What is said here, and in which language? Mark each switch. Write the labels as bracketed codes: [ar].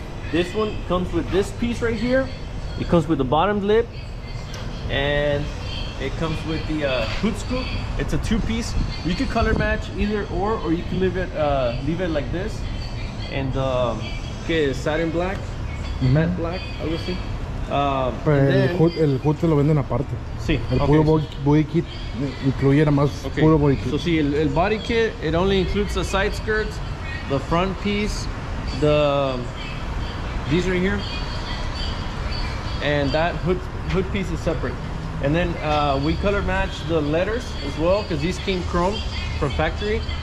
[en] This one comes with this piece right here. It comes with the bottom lip and it comes with the hood scoop. It's a two-piece. You could color match either or you can leave it like this and get satin black, matte black, I would say. [es] El hood se lo venden aparte. Sí. El puro body kit incluye nada más puro body kit. [en] So [es] sí, el [en] body kit, it only includes the side skirts, the front piece, the these right here, and that hood piece is separate. And then we color match the letters as well because these came chrome from factory.